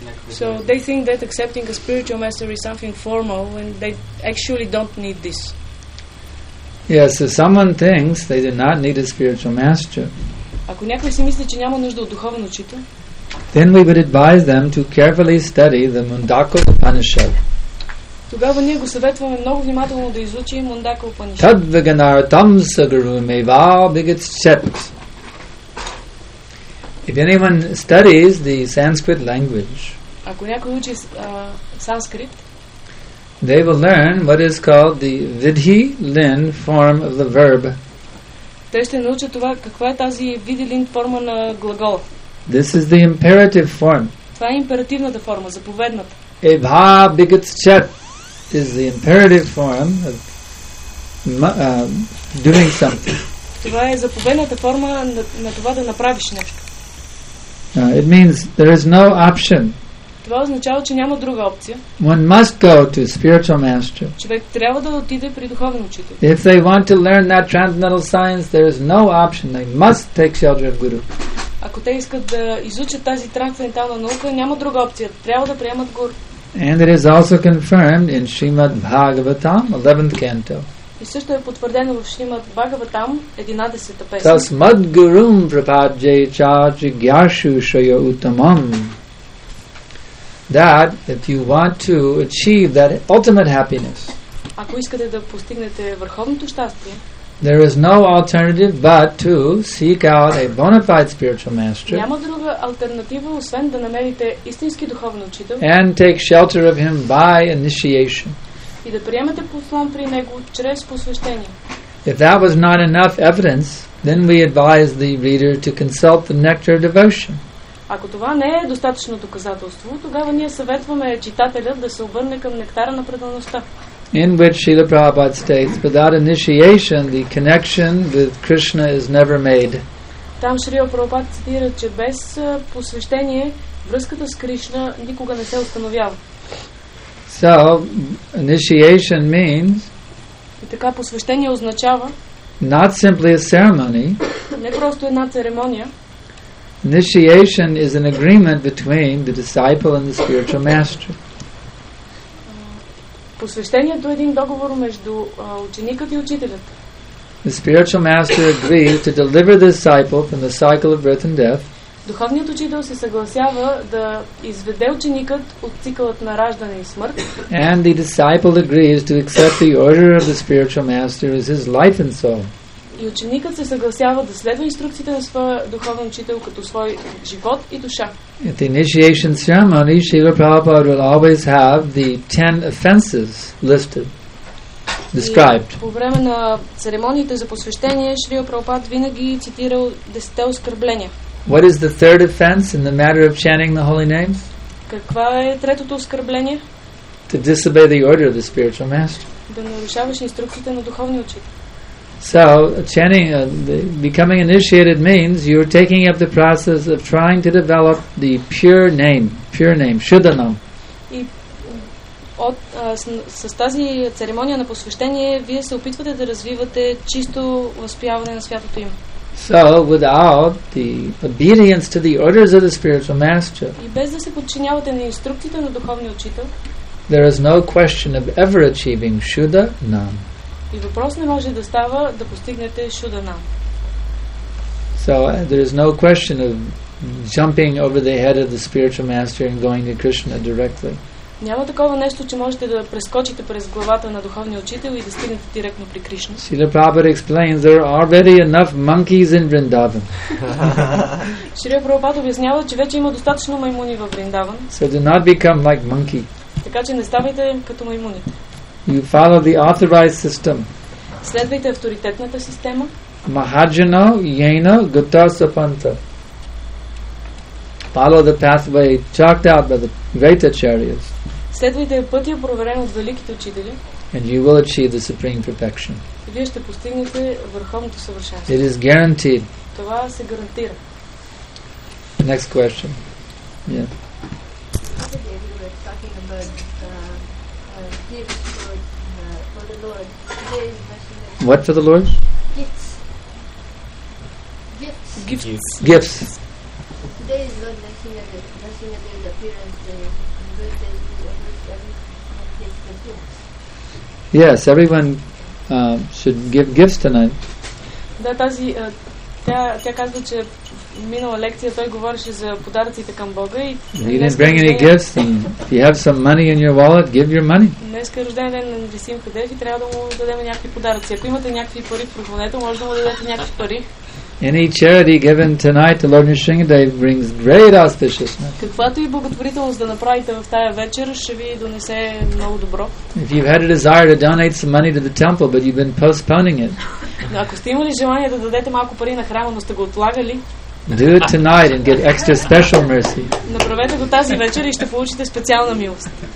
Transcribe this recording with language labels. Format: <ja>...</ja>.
<en>So they think that accepting a spiritual master is something formal when they actually don't need this. Yes, if someone thinks they do not need a spiritual master,</en> <bg>ако някой си мисли, че няма нужда от духовен учител,</bg> <en>then we would advise them to carefully study the Mundaka Upanishad.</en> <bg>Тогава ние го съветваме много внимателно да изучи Мундака Упанишад.</bg> <sa>Tad vaganara tam sagarum eva bigatset.</sa> <en>If anyone studies the Sanskrit language,</en> <bg>ако някой учи санскрит,</bg> <en>they will learn what is called the vidhi lin form of the verb.</en> <bg>Те ще научат това каква е тази vidhi lin форма на глагола.</bg> <en>This is the imperative form.</en> <bg>Това е императивната форма, заповедната.</bg> <sa>Eva bigatset</sa> <en>is the imperative form of doing something.</en> <bg>Това е заповедната форма на това да направиш нещо.</bg> <en>It means there is no option.</en> <bg>Това означава, че няма друга опция.</bg> <en>One must go to a spiritual master.</en> <bg>Човек трябва да отиде при духовен учител.</bg> <en>If they want to learn that transcendental science, there is no option. They must take shelter of guru.</en> <bg>Ако те искат да изучат тази трансцендентална наука, няма друга опция. Трябва да приемат гуру.</bg> <en>And it is also confirmed in Srimad Bhagavatam, 11th canto.</en> <bg>И също е потвърдено в Шримад Бхагаватам 11-та песен.</bg> <sa>Тас мад гурум прападжей ча джигьяшу шая утамам.</sa> <en>That if you want to achieve that ultimate happiness,</en> <bg>ако искате да постигнете върховното щастие,</bg> <en>there is no alternative but to seek out a bona fide spiritual master.</en> <bg>Няма друга алтернатива освен да намерите истински духовен учител.</bg> <en>And take shelter of him by initiation.</en> <bg>И да приемете послан при него чрез посвещение.</bg> <en>If that was not enough evidence, then we advise the reader to consult the Nectar Devotion.</en> <bg>Ако това не е достатъчно доказателство, тогава ние съветваме читателя да се обърне към Нектара на предаността.</bg> <en>In which Srila Prabhupada states, without initiation, the connection with Krishna is never made.</en> <bg>Там Шрила Прабхупада цитира, че без посвещение връзката с Кришна никога не се установява.</bg> <en>So, initiation means</en> <bg>и така посвещение означава</bg> <en>not simply a ceremony,</en> <bg>не просто една церемония.</bg> <en>Initiation is an agreement between the disciple and the spiritual master.</en> <bg>Посвещението е един договор между ученикът и учителят.</bg> <en>The spiritual master agrees to deliver the disciple from the cycle of birth and death.</en> <bg>Духовният учител се съгласява да изведе ученикът от цикълът на раждане и смърт.</bg> <en>And the disciple agrees to accept the order of the spiritual master as his life and soul.</en> <bg>И ученикът се съгласява да следва инструкциите на своя духовен учител като свой живот и душа.</bg> <en>At the initiation ceremony, Srila Prabhupada will always have the 10 offenses listed. Described.</en> <bg>По време на церемониите за посвещение, Шрила Прабхупад винаги цитира 10 оскърбления.</bg> <en>What is the third offense in the matter of chanting the holy names?</en> <bg>Каква е третото оскърбление?</bg> <en>To disobey the order of the spiritual master.</en> <bg>Да нарушаваш инструкциите на духовния учител.</bg> <en>So chanting, becoming initiated means you're taking up the process of trying to develop the pure name, Shuddha Nam.</en> <bg>И от с тази церемония на посвещение вие се опитвате да развивате чисто възпяване на святото име.</bg> <en>So without the obedience to the orders of the spiritual master.</en> <bg>И без да се подчинявате на инструкциите на духовния учител.</bg> <en>There is no question of ever achieving Shuddha Nam.</en> <bg>И въпрос не може да става да постигнете Shuddha Nam.</bg> <en>So there is no question of jumping over the head of the spiritual master and going to Krishna directly.</en> <bg>Няма такова нещо, че можете да прескочите през главата на духовния учител и да стигнете директно при Кришна.</bg> <en>Шрила Прабхупада explains there are already enough monkeys in Vrindavan.</en> <bg>Шрила Прабхупада обяснява, че вече има достатъчно маймуни в Вриндаван.</bg> <en>So do not become like monkey.</en> <bg>Така че не ставайте като маймуните.</bg> <en>You follow the authorized system.</en> <bg>Следвайте авторитетната система.</bg> <sa>Mahajana Yena Gata Sapanta.</sa> <en>Follow the pathway chalked out by the great acharyas.</en> <bg>Следвайте пътя, проверен от великите учители.</bg> <en>And you will achieve the supreme perfection.</en> <bg>Вие ще постигнете върховното съвършенство.</bg> <en>It is guaranteed.</en> <bg>Това се гарантира.</bg> <en>Next question. Yeah. What for the Lord? Gifts. Today is Lord Nasimha Day's appearance day. Yes, everyone should give gifts tonight.</en> <bg>Да, тази тя казва, че минала лекция той говореше за подаръците към Бога и</bg> <en>you didn't bring any gifts and if you have some money in your wallet, give your money.</en> <bg>Днес е рожден ден на Нарисимха Дев и трябва да му дадем някакви подаръци. Ако имате някакви пари, прогонете, може да му дадете някакви пари.</bg> <en>Any charity given tonight to Lord Nrisimhadev brings great auspiciousness.</en> <bg>Каквато и благотворителност да направите в тая вечер, ще ви донесе много добро.</bg> <en>If you've had a desire to donate some money to the temple, but you've been postponing it.</en> <bg>Ако сте имали желание да дадете малко пари на храма, но сте го отлагали.</bg> <en>Do it tonight and get extra special mercy.</en> <bg>Направете го тази вечер и ще получите специална милост.</bg>